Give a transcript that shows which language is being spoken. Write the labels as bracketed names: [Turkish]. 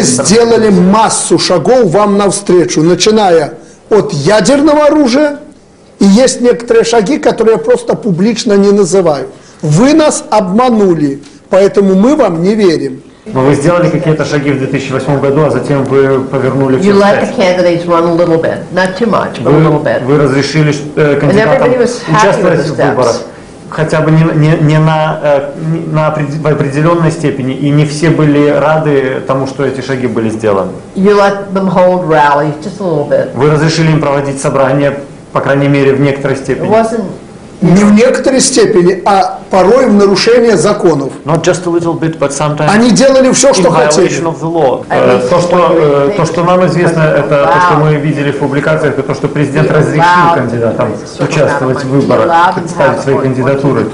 [Russian] сделали массу шагов вам навстречу, начиная от ядерного оружия. И есть некоторые шаги, которые я просто публично не называю. Вы нас обманули, поэтому мы вам не верим. Но вы сделали какие-то шаги в 2008 году, а затем вы повернули все. [English] You let the candidates run a little bit, not too much, but a little bit. [Russian] Вы разрешили кандидатам участвовать в выборах, хотя бы в определенной степени, и не все были рады тому, что эти шаги были сделаны. [English] You let them hold rally just a little bit. [Russian] Вы разрешили им проводить собрания. По крайней мере, в некоторой степени. Не в некоторой степени, а порой в нарушение законов. [English] Not just a little bit, but sometimes. [Russian] Они делали все, что хотели. То, что нам известно, это то, что мы видели в публикациях, это то, что президент разрешил кандидатам участвовать в выборах, представить свои кандидатуры.